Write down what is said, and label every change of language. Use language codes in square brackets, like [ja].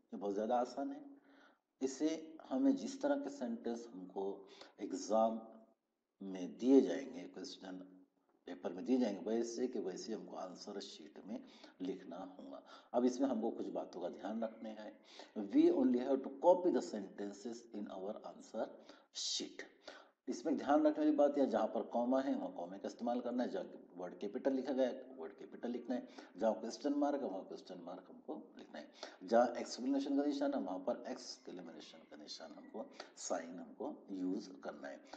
[ur] یہ بہت زیادہ آسان ہے، اسے ہمیں جس طرح کے سینٹینس ہم کو ایگزام میں دیے جائیں گے، کوشچن پیپر میں دیے جائیں گے، ویسے کہ ویسے ہم کو آنسر شیٹ میں لکھنا ہوگا. اب اس میں ہم کو کچھ باتوں کا دھیان رکھنے ہے. [en] We only have to copy the sentences in our answer sheet. [ur] اس میں دھیان رکھنے والی بات، یا جہاں پر کوما ہے وہاں کومے کا استعمال کرنا ہے، جہاں ورڈ کیپیٹل لکھا گیا ہے ورڈ کیپیٹل لکھنا ہے، جہاں کوسچن مارک ہے وہاں کوسچن مارک ہم کو لکھنا ہے، جہاں ایکسکلیمیشن کا نشان ہے وہاں پر ایکسکلیمیشن کا نشان ہم کو سائن ہم کو یوز کرنا ہے.